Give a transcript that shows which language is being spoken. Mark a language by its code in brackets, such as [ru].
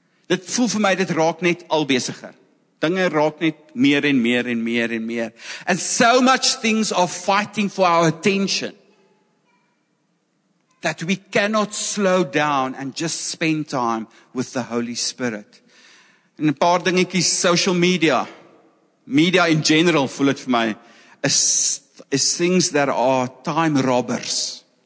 [af] Dit voel vir my, dit raak net al besiger. Dinge raak net meer en meer en meer en meer. [en] And so much things are fighting for our attention. that we cannot slow down and just spend time with the Holy Spirit. [af] En 'n paar dingetjies, [en] social media, media in general, [af] voel dit vir my, [en] is things that are time robbers.